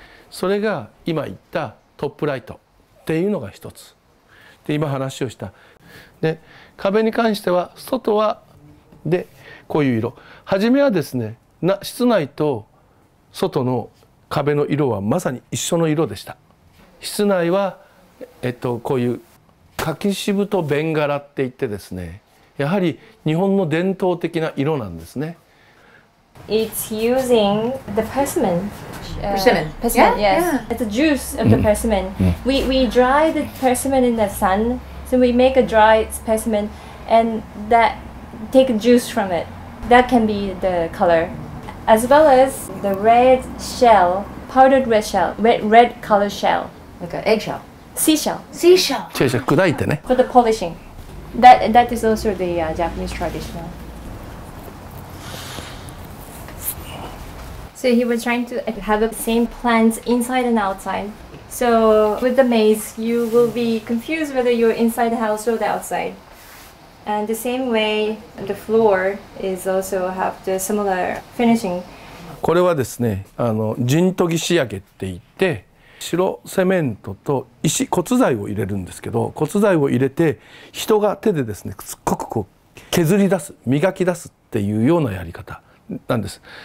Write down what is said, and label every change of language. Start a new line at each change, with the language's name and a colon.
Japanese: それが今言ったトップライトっていうのが一つで、今話をしたで壁に関しては、外はでこういう色、初めはですね室内と外の壁の色はまさに一緒の色でした。室内はこういう柿渋とベンガラって言ってですね、やはり日本の伝統的な色なんですね。
English: It's using the persimmon. Persimmon. Yeah? Yes. Yeah. It's a juice of the persimmon. We dry the persimmon in the sun, so we make a dried persimmon, and that take a juice from it. That can be the color, as well as the red shell, powdered red shell, red color shell. Like an eggshell. Seashell. Seashell.
Japanese: 砕いてね。
English: For the polishing. That is also the Japanese traditional. So he was trying to have the same plants inside and outside. So with the maze, you will be confused whether you're inside the house or the outside. And the same way, the floor is also have the similar finishing.
Japanese: これはですね、陣研ぎ仕上げって言って、白セメントと石、骨材を入れるんですけど、骨材を入れて人が手でですね、すっごくこう削り出す、磨き出すっていうようなやり方なんです。